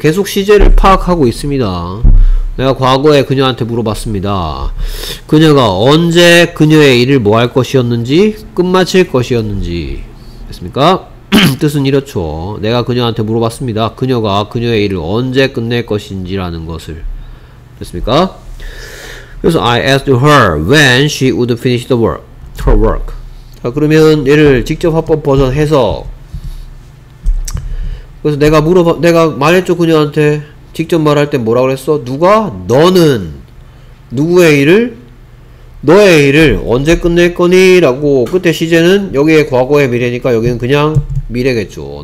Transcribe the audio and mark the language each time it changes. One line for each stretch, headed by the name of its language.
Korean: 계속 시제를 파악하고 있습니다. 내가 과거에 그녀한테 물어봤습니다. 그녀가 언제 그녀의 일을 뭐 할 것이었는지 끝마칠 것이었는지. 됐습니까? 뜻은 이렇죠. 내가 그녀한테 물어봤습니다. 그녀가 그녀의 일을 언제 끝낼 것인지라는 것을. 됐습니까?
English: 그래서 I asked her when she would finish the work. her work.
Korean: 자, 그러면 얘를 직접 화법 버전 해석. 그래서 내가 말했죠. 그녀한테 직접 말할 때 뭐라고 그랬어? 누가? 너는 누구의 일을? 너의 일을 언제 끝낼 거니? 라고 끝에 시제는 여기에 과거의 미래니까 여기는 그냥 미래겠죠.